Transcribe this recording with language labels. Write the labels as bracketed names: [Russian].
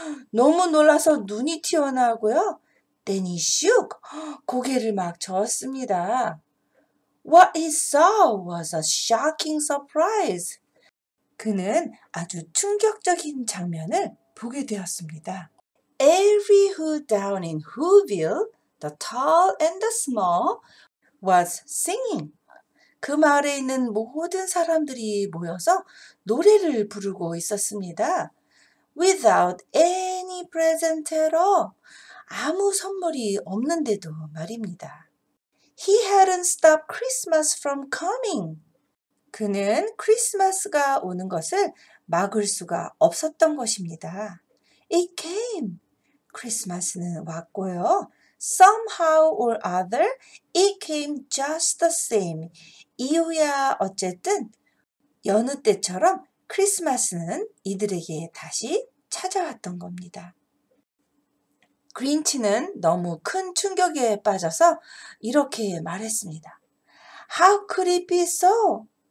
[Korean] 너무 놀라서 눈이 튀어나오고요. [English] Then he shook. [Korean] 고개를 막 저었습니다. [English] What he saw was a shocking surprise. [Korean] 그는 아주 충격적인 장면을 보게 되었습니다. [English] Every hood down in Whoville, the tall and the small, was singing. [Korean] 그 마을에 있는 모든 사람들이 모여서 노래를 부르고 있었습니다. [English] Without any present at all. [Korean] 아무 선물이 없는데도 말입니다. [English] He hadn't stopped Christmas from coming. [Korean] 그는 크리스마스가 오는 것을 막을 수가 없었던 것입니다. [English] It came. [Korean] 크리스마스는 왔고요. [English] Somehow or other, it came just the same. [Korean] 이유야 어쨌든 여느 때처럼 크리스마스는 이들에게 다시 찾아왔던 겁니다. 그린치는 너무 큰 충격에 빠져서 이렇게 말했습니다. [English] How could it be so?